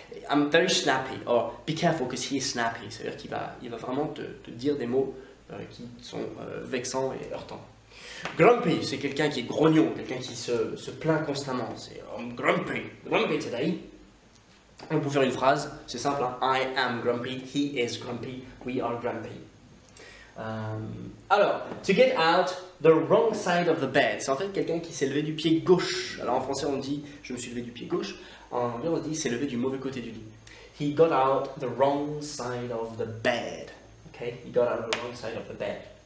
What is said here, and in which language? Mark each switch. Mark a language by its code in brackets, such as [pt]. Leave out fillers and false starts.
[en] I'm very snappy, or be careful because he is snappy. [fr] C'est-à-dire qu'il va, vraiment te dire des mots qui sont vexants et heurtants. Grumpy, c'est quelqu'un qui est grognon, quelqu'un qui se plaint constamment. [en] C'est I'm grumpy, grumpy today. [fr] On peut faire une phrase, c'est simple. Hein? [en] I am grumpy, he is grumpy, we are grumpy. [fr] Alors, [en] to get out the wrong side of the bed, [fr] c'est en fait quelqu'un qui s'est levé du pied gauche. Alors en français on dit je me suis levé du pied gauche, en anglais on dit s'est levé du mauvais côté du lit. [en] He got out the wrong side of the bed. Okay, he got out the wrong side of the bed.